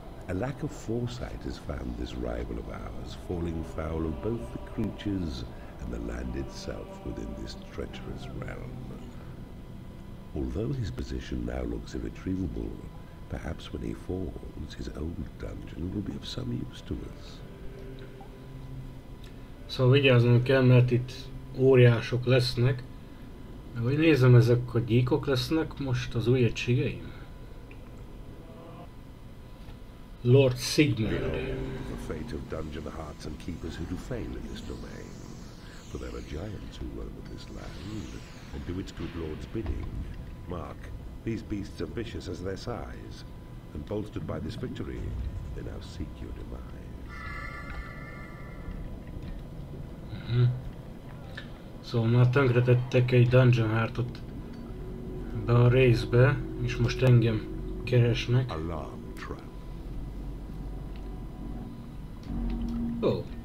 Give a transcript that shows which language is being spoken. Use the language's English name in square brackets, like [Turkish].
[English] A lack of foresight has found this rival of ours falling foul of both the creatures and the land itself within this treacherous realm. Although his position now looks irretrievable, perhaps when he falls, his old dungeon will be of some use to us. [Hungarian] So, vigyáznunk kell, mert itt óriások lesznek. Ahogy nézem, ezek a gyíkok lesznek most az új egységeim. [English] Lord Sigmund. The fate of dungeon hearts and keepers who do fail in this domain. For there are giants who roam this land and do its good lord's bidding. Mark, these beasts are vicious as their size. And bolstered by this victory, they now seek your demise. [Hungarian] Szóval már tönkretettek egy dungeon heartot be a részbe, és most engem keresnek. [English] Alarm trap. Ó.